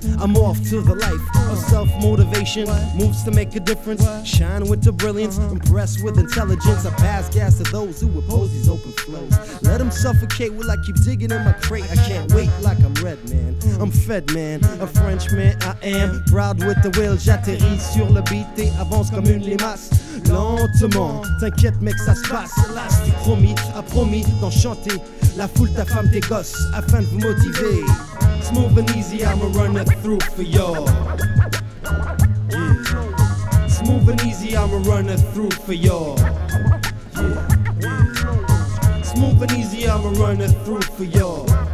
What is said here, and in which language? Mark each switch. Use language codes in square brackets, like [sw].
[en] I'm off to the life of self motivation. Moves to make a difference. Shine with the brilliance, impressed with intelligence. I pass gas to those who oppose these open flows. Let them suffocate while I keep digging in my crate. I can't wait like I'm red man, I'm fed man, a Frenchman I am. Proud with the will, [fr] j'atterris sur le beat et avance comme une limace. Lentement, t'inquiète mec, ça se passe. Hélas, tu promis d'enchanter la foule, ta femme, tes gosses, afin de vous motiver. [en] Smooth and easy, I'ma run it through for y'all. Yeah. Smooth and easy, I'ma run it through for y'all. Yeah. Smooth and easy, I'ma run it through for y'all.